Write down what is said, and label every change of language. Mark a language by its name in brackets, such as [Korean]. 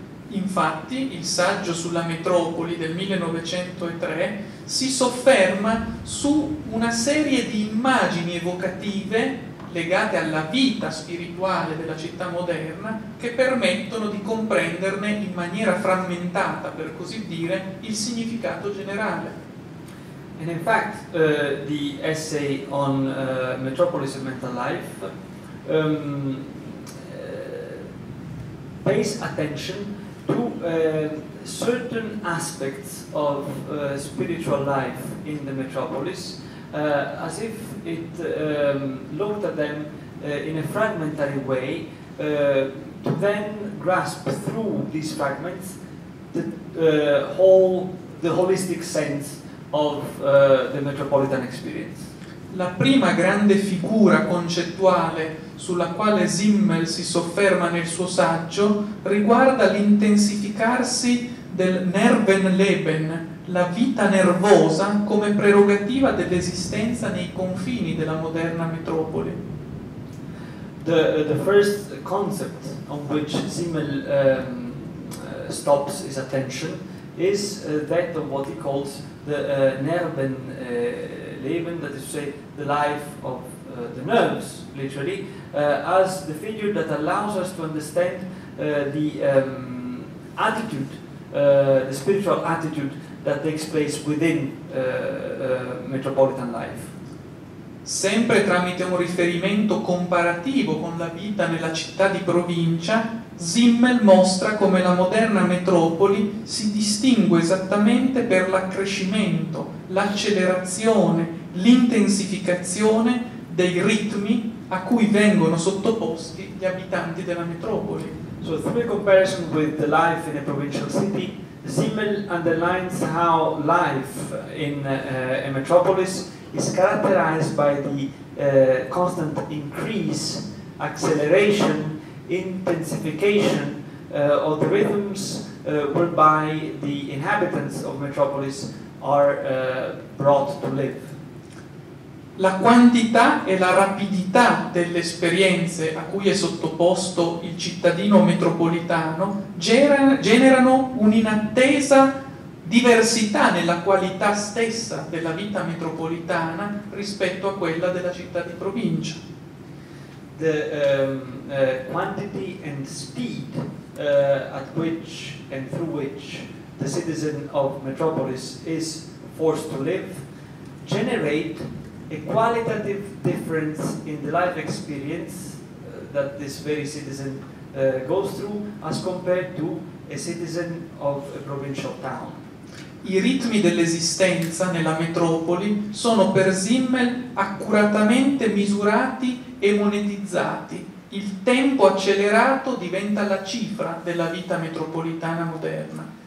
[Italian] Infatti, il saggio sulla Metropoli del 1903 si sofferma su una serie di immagini evocative legate alla vita spirituale della città moderna che permettono di comprenderne in maniera frammentata, per così dire, il significato generale. [English] And in fact, the essay on Metropolis and Mental Life pays attention to certain aspects of spiritual life in the metropolis, as if it looked at them in a fragmentary way, to then grasp through these fragments the holistic sense of the metropolitan experience. [Italian] La prima grande figura concettuale sulla quale Simmel si sofferma nel suo saggio riguarda l'intensificarsi del Nervenleben, la vita nervosa come prerogativa dell'esistenza nei confini della moderna metropoli. [English] The first concept on which Simmel stops his attention is that of what he calls the Nervenleben, that is to say, the life of the nerves, literally, as the figure that allows us to understand the attitude, the spiritual attitude that takes place within metropolitan life. [Italian] Sempre tramite un riferimento comparativo con la vita nella città di provincia, Simmel mostra come la moderna metropoli si distingue esattamente per l'accrescimento, l'accelerazione, l'intensificazione dei ritmi a cui vengono sottoposti gli abitanti della metropoli. [English] So through a comparison with the life in a provincial city, Simmel underlines how life in a metropolis is characterized by the constant increase, acceleration, intensification of the rhythms whereby the inhabitants of metropolis are brought to live. [Italian] La quantità e la rapidità delle esperienze a cui è sottoposto il cittadino metropolitano generano un'inattesa diversità nella qualità stessa della vita metropolitana rispetto a quella della città di provincia. [English] The quantity and speed at which and through which the citizen of metropolis is forced to live generate a qualitative difference in the life experience that this very citizen goes through as compared to a citizen of a provincial town. [Italian] I ritmi dell'esistenza nella metropoli sono per Simmel accuratamente misurati e monetizzati. Il tempo accelerato diventa la cifra della vita metropolitana moderna.